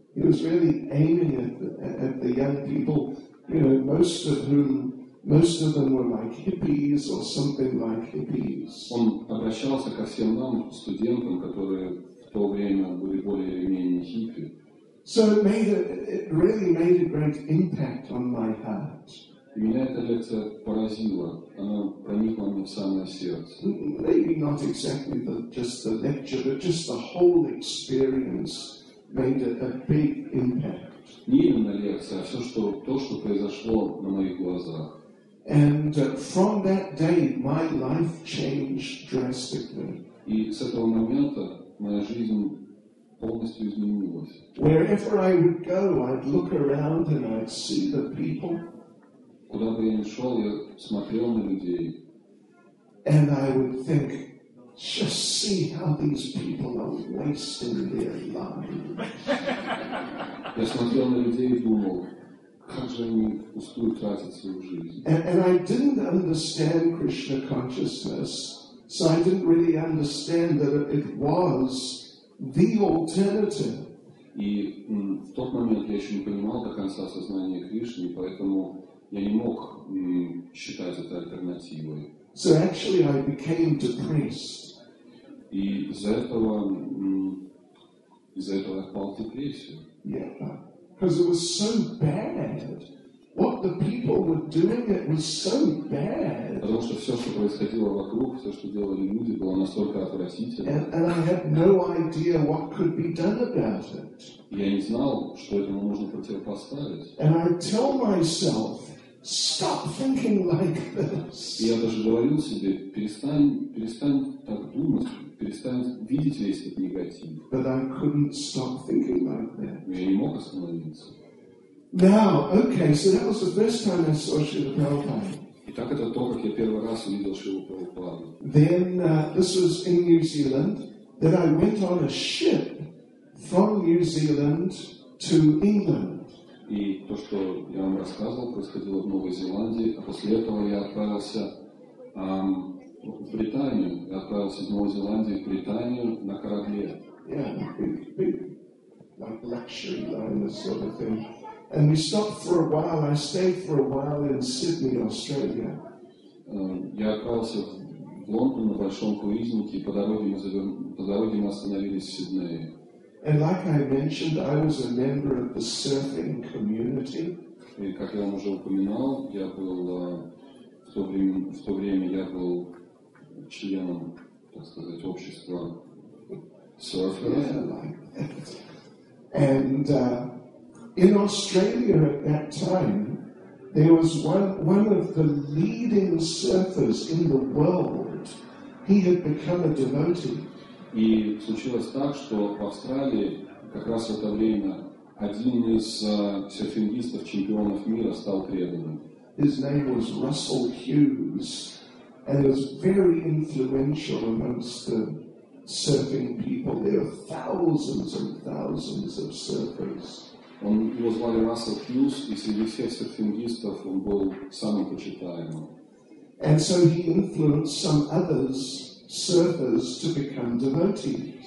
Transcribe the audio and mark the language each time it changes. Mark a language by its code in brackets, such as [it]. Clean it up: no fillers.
[en] He was really aiming at the young people, you know, most of them were like hippies or something like hippies. [ru] Он обращался ко всем нам студентам, которые в то время были более или менее хиппи. [en] So it really made a great impact on my heart. [ru] И меня эта лекция поразила. Она проникла мне в самое сердце. [en] Maybe not exactly just the lecture, but just the whole experience made a big impact. [ru] Не именно лекция, а то, что произошло на моих глазах. [en] And from that day, my life changed drastically. [ru] И с этого момента моя жизнь полностью изменилась. [en] Wherever I would go, I'd look around and I'd see the people. [ru] Куда бы я ни шел, я смотрел на людей. [en] And I would think, just see how these people are wasting their lives. [ru] Я смотрел на людей и думал, как же они впустую тратят свою жизнь. [en] And I didn't understand Krishna consciousness, so I didn't really understand that it was the alternative. [ru] И в тот момент я еще не понимал до конца сознания Кришны, поэтому я не мог считать это альтернативой. [en] So actually I became depressed. [ru] И из-за этого я впал в депрессию. [en] Yeah. Because it was so bad. What the people were doing, it was so bad. [ru] Потому что все, что происходило вокруг, все, что делали люди, было настолько отвратительно. [en] And I had no idea what could be done about it. [ru] Я не знал, что этому можно противопоставить. [en] And I tell myself, stop thinking like this. [ru] Я даже говорил себе, перестань так думать, перестань видеть весь этот негатив. [en] But I couldn't stop thinking like that. [ru] Я не мог остановиться. [en] Now, okay, so that was the first time I saw Srila Prabhupada. [ru] Итак, это то, как я первый раз увидел Шрилу Прабхупаду. [en] Then this was in New Zealand. Then I went on a ship from New Zealand to England. [ru] И то, что я вам рассказывал, происходило в Новой Зеландии, а после этого я отправился в Британию. Я отправился из Новой Зеландии в Британию на корабле. [en] Yeah, like luxury liner sort of thing. And we stopped for a while. I stayed for a while in Sydney, Australia. [ru] Я отправился в Лондон на большом круизнике, по дороге мы остановились в Сиднее. [en] And like I mentioned, I was a member of the surfing community. [ru] И как я вам уже упоминал, я был в то время я был членом, так сказать, общества серферов. [en] And in Australia at that time, there was one of the leading surfers in the world. He had become a devotee. [ru] И случилось так, что в Австралии как раз в это время один из серфингистов, чемпионов мира, стал преданным. [en] His name was Russell Hughes, and he was very influential amongst the surfing people. There are thousands and thousands of surfers. [ru] Его звали Russell Hughes, и среди всех серфингистов он был самым почитаемым. [en] And so he influenced some others, surfers, to become devotees.